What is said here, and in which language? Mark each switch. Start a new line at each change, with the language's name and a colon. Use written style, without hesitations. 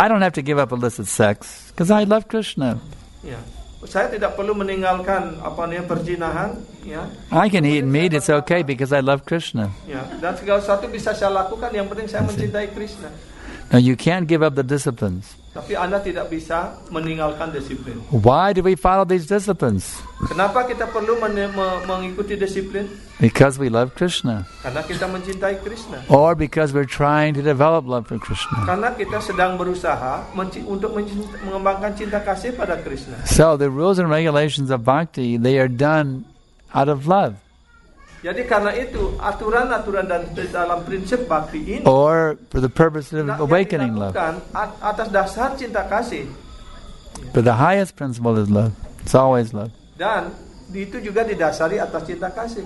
English: I don't have to give up illicit sex because I love Krishna.
Indonesian: Ya, saya tidak perlu meninggalkan perzinahan. Ya.
English: I can eat meat. It's okay because I love Krishna.
Indonesian: Ya, dan segala sesuatu bisa saya lakukan. Yang penting saya mencintai Krishna.
English: Now you can't give up the disciplines.
Indonesian: Tapi Anda tidak bisa meninggalkan disiplin.
English: Why do we follow these disciplines?
Indonesian: Kenapa kita perlu mengikuti disiplin?
English: Because we love Krishna.
Indonesian: Karena kita mencintai Krishna.
English: Or because we're trying to develop love for Krishna.
Indonesian: Karena kita sedang berusaha mengembangkan cinta kasih pada Krishna.
English: So the rules and regulations of bhakti, they are done out of love.
Indonesian: Jadi karena itu aturan-aturan dan dalam prinsip bhakti ini,
English: or for the purpose of awakening love,
Indonesian: atas dasar cinta kasih.
English: But the highest principle is love. It's always love.
Indonesian: Dan itu juga didasari atas cinta kasih.